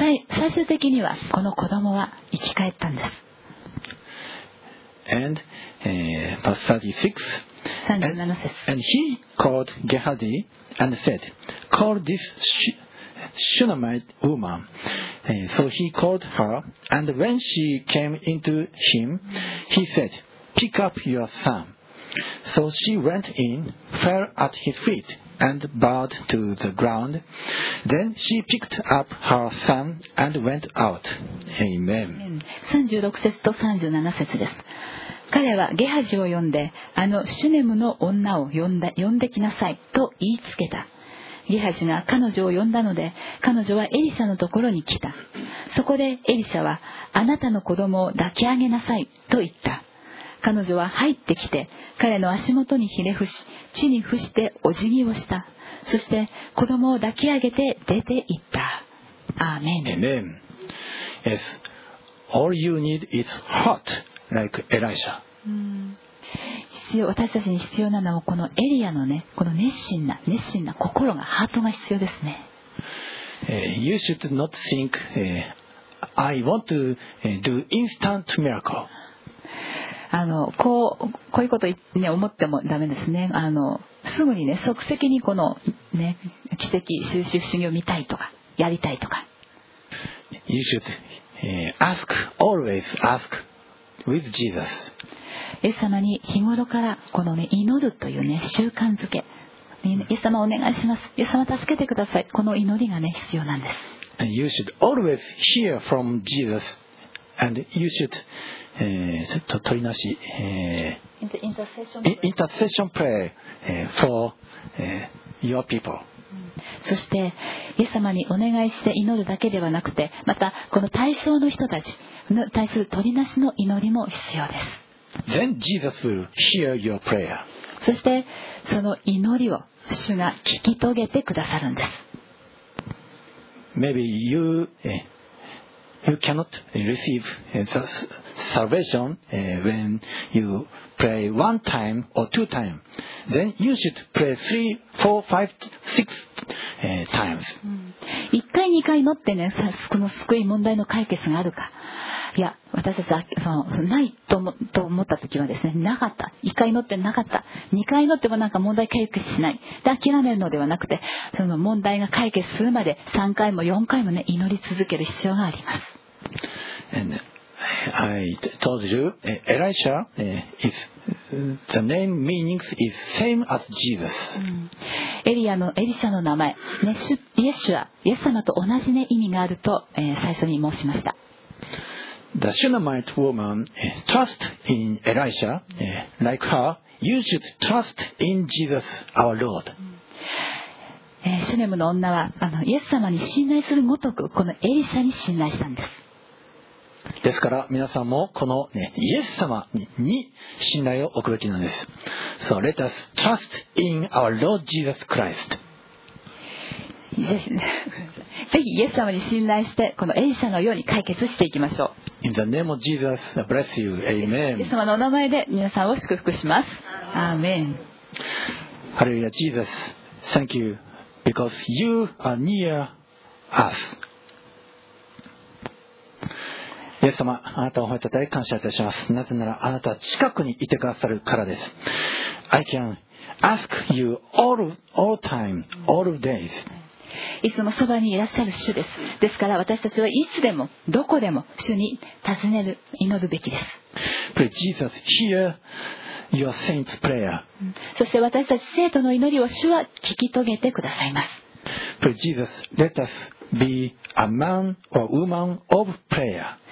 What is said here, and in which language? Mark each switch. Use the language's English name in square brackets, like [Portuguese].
[Japanese] 最終的にはこの子供は生き返ったんです。 [English] And verse 36, [Japanese] 37節。 [English] And he called Gehazi and said, call this Shunammite woman. So he called her, and when she came into him, he said, pick up your son. So she went in, fell at his feet, and bowed to the ground. Then she picked up her son and went out. Amen. [Japanese] 36節と37節です。彼はゲハジを呼んで、あのシュネムの女を呼んできなさいと言いつけた。ゲハジが彼女を呼んだので、彼女はエリシャのところに来た。そこでエリシャは、あなたの子供を抱き上げなさいと言った。彼女は入ってきて、彼の足元にひれ伏し、地に伏してお辞儀をした。そして子供を抱き上げて出て行った。アーメン。 [English] Amen. Yes. All you need is heart, like Elisha. [Japanese] 私たちに必要なのはこのエリアのね、この熱心な心が、ハートが必要ですね。 [English] You should not think, I want to do instant miracle. [Japanese] こういうこと思ってもダメですね。すぐにね、即席にこの、ね、奇跡、収集、不思議を見たいとか、やりたいとか。 [English] You should ask, always ask with Jesus. [Japanese] イエス様に日頃からこのね、祈るというね、習慣づけ。イエス様お願いします。イエス様助けてください。この祈りがね、必要なんです。 [English] And you should always hear from Jesus. And you should intercession prayer for your people. [Japanese] そしてイエス様にお願いして祈るだけではなくて、またこの対象の人たちに対する取りなしの祈りも必要です。 [English] Then Jesus will hear your prayer. [Japanese] そしてその祈りを主が聞き遂げてくださるんです。 [English] Maybe you cannot receive the salvation when you pray one time or two times. Then you should pray three, four, five, six times. [Japanese] 一回二回祈ってね、この救い問題の解決があるか、いや私たちはそのないと思った時はですね、なかった、一回祈ってなかった、二回祈ってもなんか問題解決しないで諦めるのではなくて、その問題が解決するまで三回も四回もね、祈り続ける必要があります。 [English] And I told you, Elisha is the name meaning is same as Jesus. [Japanese] エリシャの名前、ね、イエシュア、イエス様と同じ、ね、意味があると、最初に申しました。 [English] The Shunammite woman trust in Elisha, like her, you should trust in Jesus, our Lord. [Japanese] シュネムの女はイエス様に信頼するごとく、このエリシャに信頼したんです。ですから皆さんもこの、ね、イエス様 に信頼を置くべきなんです。 [English] So let us trust in our Lord Jesus Christ. [Japanese] ぜひイエス様に信頼して、このエリシャのように解決していきましょう。 [English] In the name of Jesus, bless you. Amen. [Japanese] イエス様のお名前で皆さんを祝福します。アーメン。 [English] ハレルヤ。Jesus, thank youBecause you are near us. [Japanese] イエス様、あなたを褒めたたえ感謝いたします。なぜならあなた近くにいてくださるからです。 [English] I can ask you all time, all days. [Japanese] いつもそばにいらっしゃる主です。ですから私たちはいつでも、どこでも主に尋ねる、祈るべきです。 [English] Please, Jesus, hear Your saints' prayer. [Japanese] そして私たち聖徒の祈りを主は聞き遂げてくださいます。 [English] Please, Jesus, let us be a man or woman of prayer.